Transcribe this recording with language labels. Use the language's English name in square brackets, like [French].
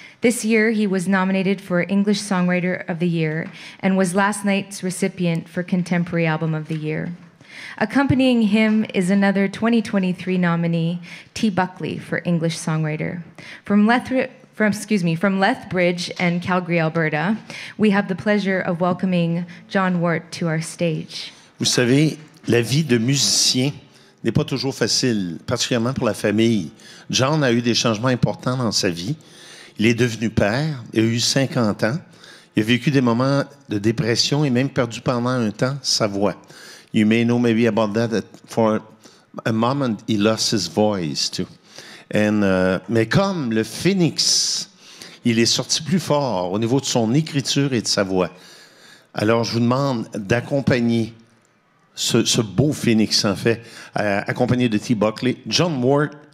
[English] This year, he was nominated for English Songwriter of the Year and was last night's recipient for Contemporary Album of the Year. Accompanying him is another 2023 nominee, T. Buckley, for English Songwriter. From Lethbridge and Calgary, Alberta, we have the pleasure of welcoming John Wart to our stage. [French] Vous savez, la vie de musicien n'est pas toujours facile, particulièrement pour la famille. John a eu des changements importants dans sa vie. Il est devenu père, il a eu 50 ans, il a vécu des moments de dépression et même perdu pendant un temps sa voix. [English] You may know maybe about that, that for a moment he lost his voice too. [French] Mais comme le phénix, il est sorti plus fort au niveau de son écriture et de sa voix. Alors je vous demande d'accompagner ce beau phénix en fait, accompagné de T. Buckley, John Wart,